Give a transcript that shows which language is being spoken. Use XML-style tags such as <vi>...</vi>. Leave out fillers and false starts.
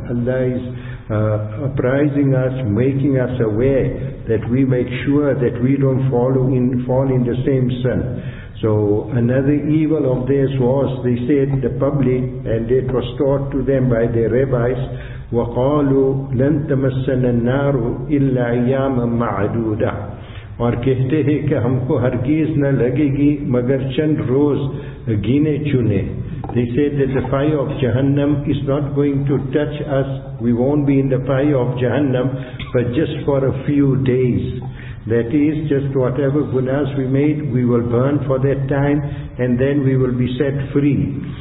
<en>Allah is apprising us, making us aware that we make sure that we don't fall in the same sin. So another evil of theirs was, they said, the public, and it was taught to them by their rabbis,</en> <ar>وَقَالُوا لَن تَمَسَّنَ النَّارُ إِلَّا أَيَّامًا مَعْدُودَةً.</ar> <ur>اور کہتے ہیں کہ ہم کو ہرگز نہ لگے گی مگر چند روز گینے چنے.</ur> <en>They said that the fire of Jahannam is not going to touch us. We won't be in the fire of Jahannam, but just for a few days. That is, just whatever gunas we made, we will burn for that time, and then we will be set free.</en>